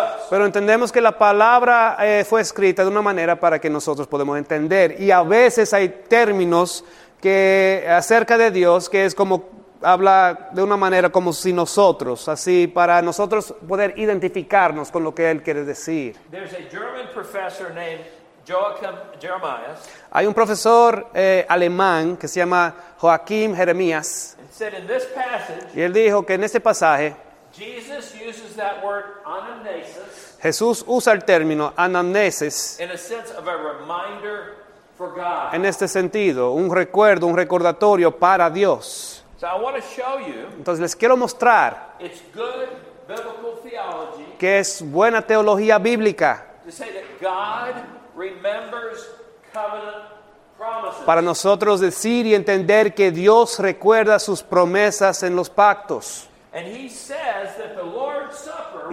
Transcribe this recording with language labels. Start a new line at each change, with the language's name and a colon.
Spanish: Pero entendemos que la palabra fue escrita de una manera para que nosotros podamos entender. Y a veces hay términos que acerca de Dios, que es como habla de una manera como si nosotros, así para nosotros poder identificarnos con lo que Él quiere decir.
English: There's a German professor named Joachim Jeremias.
Spanish: Hay un profesor alemán que se llama Joachim Jeremías.
English: And said in this passage,
Spanish: y él dijo que en este pasaje,
English: Jesus uses that word anamnesis,
Spanish: Jesús usa el término anamnesis
English: in a sense of a reminder.
Spanish: En este sentido, un recuerdo, un recordatorio para Dios.
English: So I want to show you,
Spanish: entonces les quiero mostrar
English: it's good biblical theology,
Spanish: que es buena teología bíblica
English: to say that God remembers covenant promises.
Spanish: Para nosotros decir y entender que Dios recuerda sus promesas en los pactos.
English: And he says that the Lord's Supper,